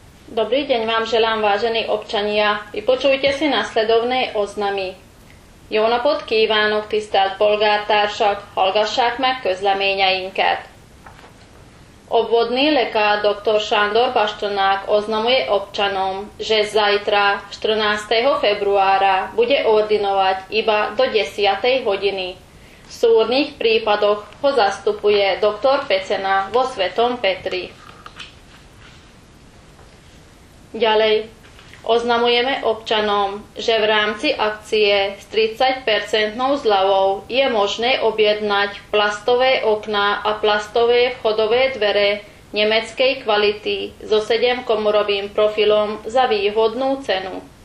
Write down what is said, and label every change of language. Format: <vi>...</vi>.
<sk>Dobrý deň vám želám, vážení občania. Vypočujte si nasledovné oznamy.</sk> <hu>Jó napot kívánok, tisztelt polgártársak! Hallgassák meg közleményeinket!</hu> <sk>Obvodný lekár dr. Sándor Bastonák oznamuje občanom, že zajtra, 14. februára, bude ordinovať iba do 10. hodiny. V súrnych prípadoch ho zastupuje dr. Pecena vo Svetom Petri. Ďalej. Oznamujeme občanom, že v rámci akcie s 30% zľavou je možné objednať plastové okná a plastové vchodové dvere nemeckej kvality so 7-komorovým profilom za výhodnú cenu.</sk>